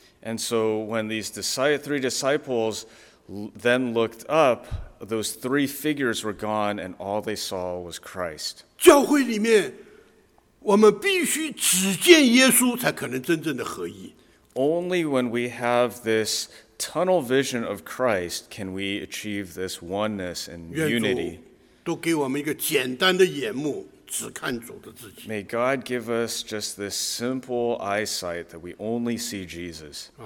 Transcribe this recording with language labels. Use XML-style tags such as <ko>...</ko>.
<en>And so when these three disciples then looked up, those three figures were gone, and all they saw was Christ.</en> <zh>教会里面。我们必须只见耶稣才可能真正的合一。</zh> <en>Only when we have this tunnel vision of Christ can we achieve this oneness and unity.</en> <zh>愿主都给我们一个简单的眼目，只看主的自己。</zh> <en>May God give us just this simple eyesight that we only see Jesus.</en>